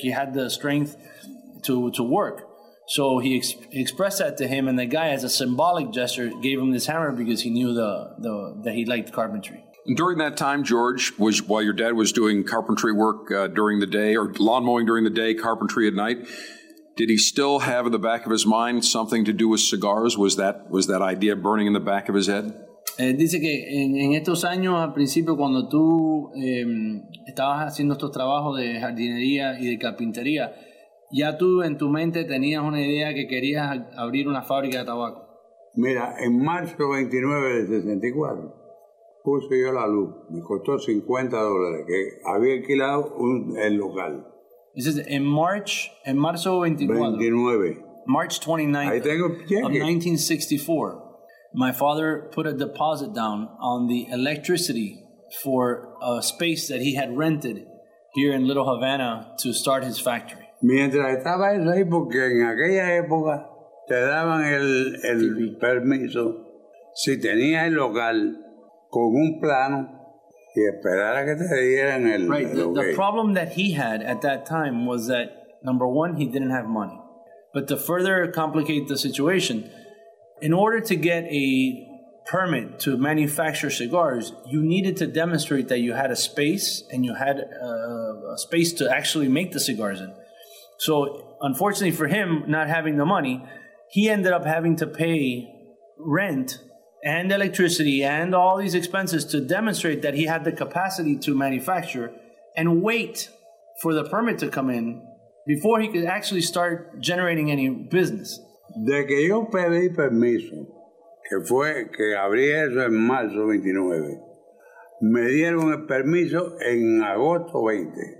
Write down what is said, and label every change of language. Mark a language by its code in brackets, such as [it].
[en] He had the strength to work. So he expressed that to him, and the guy, as a symbolic gesture, gave him this hammer because he knew that he liked carpentry. During that time, George, while your dad was doing carpentry work during the day, or lawn mowing during the day, carpentry at night, did he still have in the back of his mind something to do with cigars? Was that idea burning in the back of his head? [es] Dice que en estos años, al principio, cuando tú estabas haciendo estos trabajos de jardinería y de carpintería, ya tú en tu mente tenías una idea que querías abrir una fábrica de tabaco. Mira, en marzo 29 de 64... puse yo la luz, me costó $50, que había alquilado el local. [en] This is [es] en marzo 29. [en] March 29th, of 1964, my father put a deposit down on the electricity for a space that he had rented here in Little Havana to start his factory. [es] Mientras estaba eso ahí, porque en aquella época te daban el permiso, si tenía el local, con un plano y esperar a que te dieran el local. [en] Right, the problem that he had at that time was that, number one, he didn't have money. But to further complicate the situation, in order to get a permit to manufacture cigars, you needed to demonstrate that you had a space and you had a space to actually make the cigars in. So, unfortunately for him, not having the money, he ended up having to pay rent and electricity and all these expenses to demonstrate that he had the capacity to manufacture, and wait for the permit to come in before he could actually start generating any business. [es] De que yo pedí permiso, que fue que abrí eso en marzo 29, me dieron el permiso en agosto 20.